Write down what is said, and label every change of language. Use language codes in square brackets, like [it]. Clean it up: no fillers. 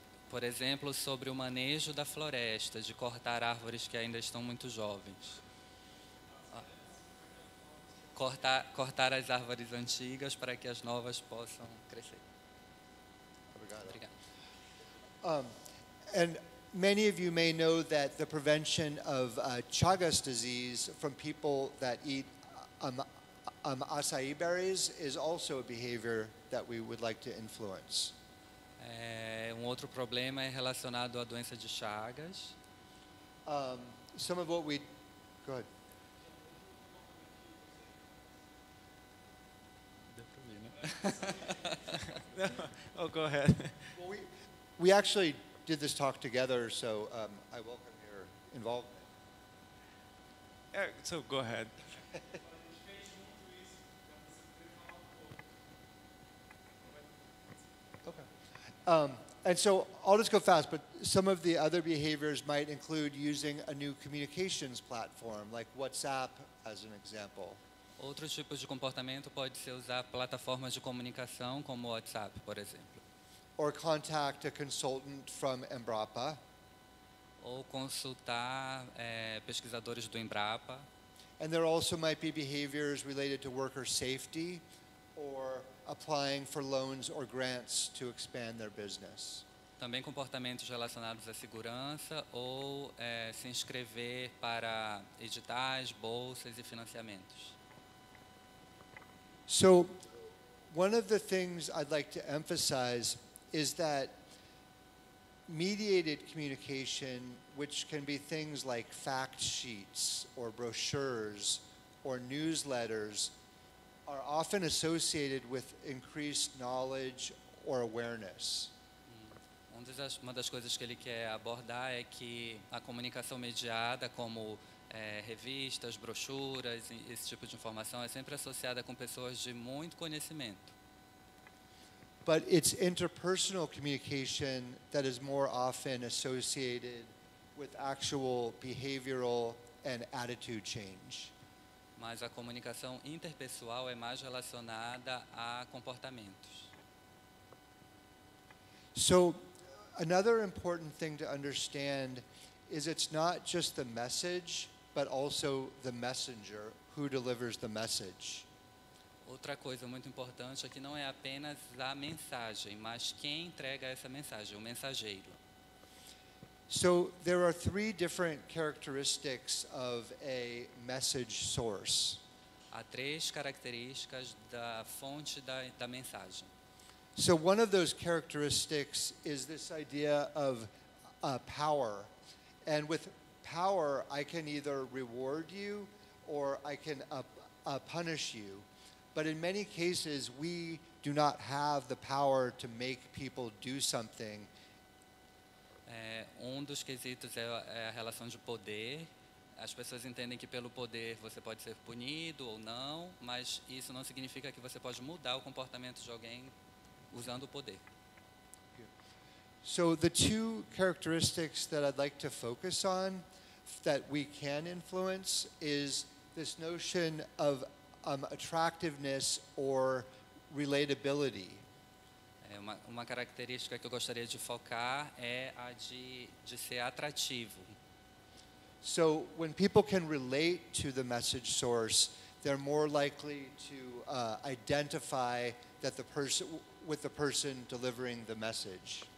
[pt] Por exemplo, sobre o manejo da floresta, de cortar árvores que ainda estão muito jovens. Cortar as árvores antigas para que as novas possam crescer. [en] And many of you may know that the prevention of Chagas disease from people that eat acai berries is also a behavior that we would like to influence. [pt] Outro problema é relacionado à doença de Chagas. [en] Some of what we... Go ahead. Oh, go ahead. We actually did this talk together, so I welcome your involvement. So go ahead. Okay. And so I'll just go fast, but some of the other behaviors might include using a new communications platform, like WhatsApp, as an example. [pt] Outros tipos de comportamento pode ser usar plataformas de comunicação, como WhatsApp, por exemplo. [en] Or contact a consultant from Embrapa. [pt] Ou consultar pesquisadores do Embrapa. [en] And there also might be behaviors related to worker safety or applying for loans or grants to expand their business. [pt] Também comportamentos relacionados à segurança ou se inscrever para editais, bolsas e financiamentos. [en] So, one of the things I'd like to emphasize is that mediated communication, which can be things like fact sheets or brochures or newsletters, are often associated with increased knowledge or awareness. [pt] Uma das coisas que ele quer abordar é que a comunicação mediada, como revistas, brochuras, esse tipo de informação, é sempre associada com pessoas de muito conhecimento. [en] But it's interpersonal communication that is more often associated with actual behavioral and attitude change. [pt] Mas a comunicação interpessoal é mais relacionada a comportamentos. [en] So, another important thing to understand is it's not just the message, but also the messenger who delivers the message. [pt] Outra coisa muito importante é que não é apenas a mensagem, mas quem entrega essa mensagem, o mensageiro. [en] So there are three different characteristics of a message source. [pt] Há três características da fonte da mensagem. [en] So one of those characteristics is this idea of power. And with power, I can either reward you or I can punish you. But in many cases, we do not have the power to make people do something. [pt] Dos quesitos é a relação de poder. As pessoas entendem que pelo poder você pode ser punido ou não, mas isso não significa que você pode mudar o comportamento de alguém usando o poder. [en] So the two characteristics that I'd like to focus on that we can influence is this notion of attractiveness or relatability. [pt] Uma característica que eu gostaria de focar é a de ser atrativo. [en] So when people can relate to the message source, they're more likely to identify that the person with the person delivering the message.